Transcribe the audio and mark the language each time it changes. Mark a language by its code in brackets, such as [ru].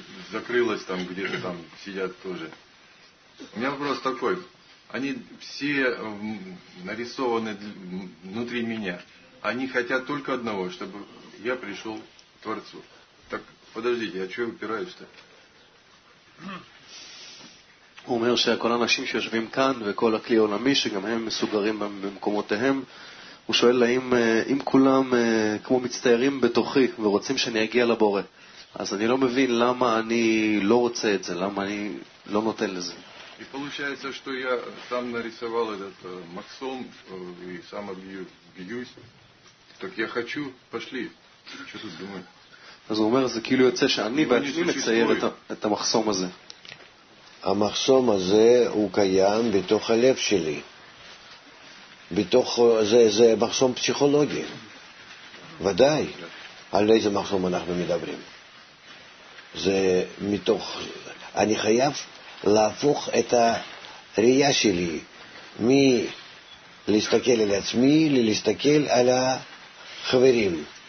[ru] закрылась там, где-то там сидят тоже. У меня вопрос такой. Они все нарисованы внутри меня. Они хотят только одного, чтобы я пришел к Творцу. Так, подождите, а чего я упираюсь-то? [he] הוא אומר שכל האנשים שיושבים כאן וכל הכלי העולמי שגם הם מסוגרים במקומותיהם הוא שואל להם אם כולם כמו מצטיירים בתוכי ורוצים שאני אגיע לבורא אז אני לא מבין למה אני לא רוצה את זה למה אני לא נותן לזה [ru] и получается что я сам нарисовал этот Максом и сам бьюсь так я хочу пошли что тут думать [he] אז הוא אומר, זה כאילו יוצא שאני בעצמי מצייר את המחסום הזה. המחסום הזה הוא קיים בתוך הלב שלי. בתוך, זה מחסום פסיכולוגי. ודאי. על איזה מחסום אנחנו מדברים? זה מתוך, אני חייב להפוך את הראייה שלי מלהסתכל על עצמי, ללהסתכל על החברים.